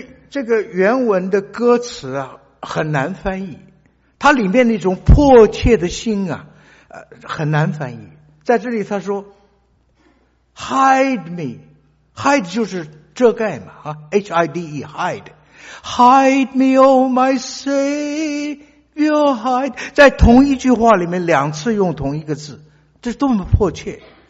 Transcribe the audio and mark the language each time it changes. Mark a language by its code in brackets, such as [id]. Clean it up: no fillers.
[zh] 这个原文的歌词啊，很难翻译。它里面那种迫切的心啊，很难翻译。在这里他说 [en] ，Hide me, hide [zh] 就是遮盖嘛，啊 [en] ，hide, hide, hide me, oh my Savior. Your heart, [zh] 在同一句话里面两次用同一个字，这是多么迫切。